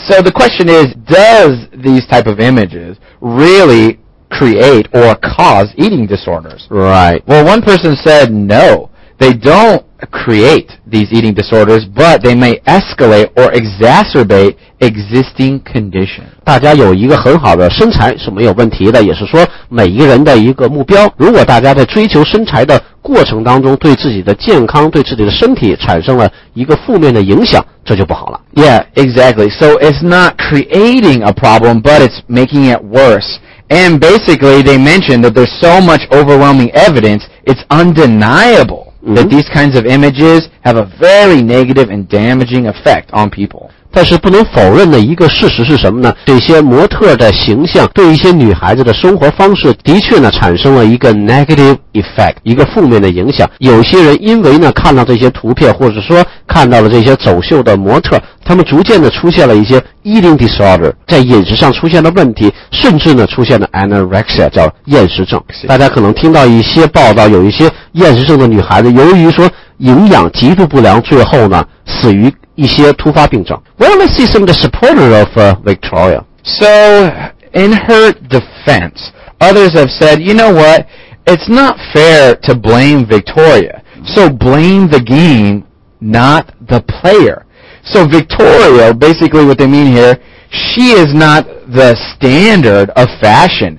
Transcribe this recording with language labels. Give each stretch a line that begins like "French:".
English: So the question is, does these type of images really create or cause eating disorders? Right. Well, one person said no. They don't create these eating disorders, but they may escalate or exacerbate existing conditions.
Chinese: 大家有一个很好的身材是没有问题的，也是说每一个人的一个目标。如果大家在追求身材的过程当中对自己的健康对自己的身体产生了一个负面的影响，这就不好了。
English: Yeah, exactly. So it's not creating a problem, but it's making it worse. And basically, they mentioned that there's so much overwhelming evidence, it's undeniable mm-hmm. that these kinds of images have a very negative and damaging effect on people.
Chinese: 但是不能否认的一个事实是什么呢？这些模特的形象对一些女孩子的生活方式的确呢产生了一个
English: negative effect，
Chinese: 一个负面的影响。有些人因为呢看到这些图片，或者说看到了这些走秀的模特，他们逐渐的出现了一些
English: eating disorder，
Chinese: 在饮食上出现了问题，甚至呢出现了 anorexia， 叫厌食症。大家可能听到一些报道，有一些厌食症的女孩子，由于说营养极度不良，最后呢死于一些突发病症。
English: Well, let's see some of the supporters of Victoria. So, in her defense, others have said, you know what, it's not fair to blame Victoria. So blame the game, not the player. So Victoria, basically what they mean here, she is not the standard of fashion.